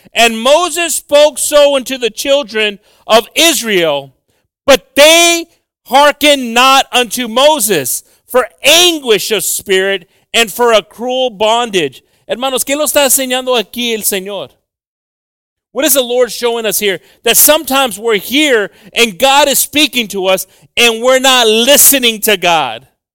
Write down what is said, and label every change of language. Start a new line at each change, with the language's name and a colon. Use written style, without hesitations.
English: And Moses spoke so unto the children of Israel, but they hearkened not unto Moses for anguish of spirit and for a cruel bondage.
Spanish: Hermanos, ¿qué lo está enseñando aquí el Señor?
English: What is the Lord showing us here? That sometimes we're here and God is speaking to us and we're not listening to God.